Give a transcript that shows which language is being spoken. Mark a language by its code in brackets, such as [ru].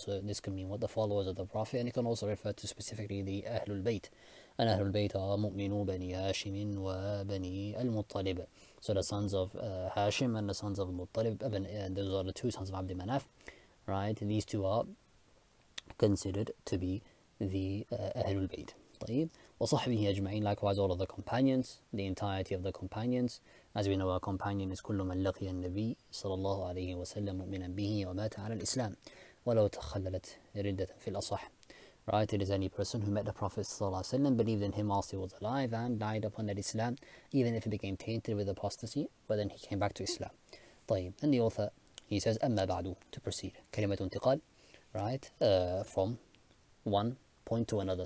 [en] So this can mean what, the followers of the Prophet, and it can also refer to specifically the أهل البيت. [ar] And أهل البيت are مؤمنو بني هاشم وبني المطلب. [en] So the sons of هاشم and the sons of المطلب, and those are the two sons of عبد مناف, right, these two are considered to be the أهل البيت. [ar] وصحبه أجمعين, [en] likewise all of the companions, the entirety of the companions. As we know, a companion is [ar] كل من لقي النبي صلى الله عليه وسلم مؤمنا به ومات على الإسلام ولو تخللت ردة في الأصح. [en] Right, it is any person who met the Prophet [ar] صلى الله عليه وسلم, [en] believed in him whilst he was alive and died upon that Islam, even if he became tainted with apostasy, but then he came back to Islam. طيب, and the author, he says [ar] أما بعد, [en] to proceed. [ar] كلمة انتقال, [en] right, from one point to another.